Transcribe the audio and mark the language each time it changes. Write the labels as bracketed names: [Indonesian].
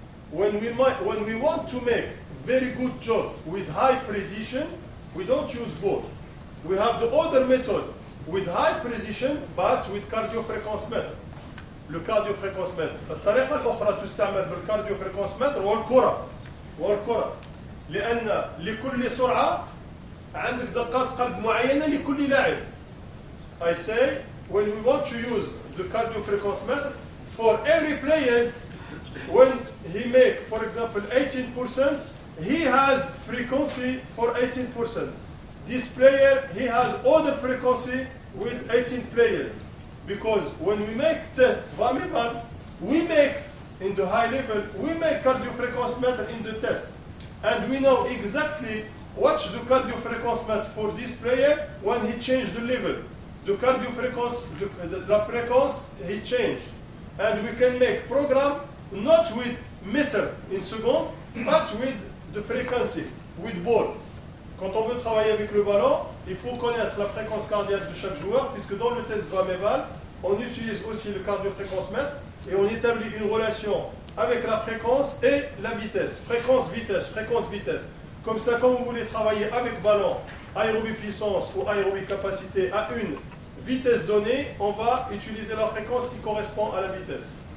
[English] When we want to make very good job with high precision, we don't use ball. We have the other method with high precision, but with cardiofrequencemeter. [French] Le cardiofrequencemeter. [Arabic] La طريقة الأخرى تستعمل بالcardiofrequencemeter والكرة. لأن لكل سرعة عندك دقات قلب معينة لكل لاعب. [English] I say, when we want to use the cardiofrequencemeter for every player, when he make, for example, 18%, he has frequency for 18%. This player, he has other frequency with 18 players. Because when we make test VAMIBAL, we make, in the high level, we make cardiofrequencemeter in the test. And we know exactly what's the cardiofrequencemeter for this player when he changed the level. The cardiofrequency, he changed. And we can make program not with meter in second, but with the frequency, with ball. [French] Quand on veut travailler avec le ballon, il faut connaître la fréquence cardiaque de chaque joueur, puisque dans le test VAMEVAL, on utilise aussi le cardiofréquencemètre et on établit une relation avec la fréquence et la vitesse. Fréquence-vitesse. Comme ça, quand vous voulez travailler avec ballon, aérobie puissance ou aérobie capacité à une vitesse donnée, on va utiliser la fréquence qui correspond à la vitesse.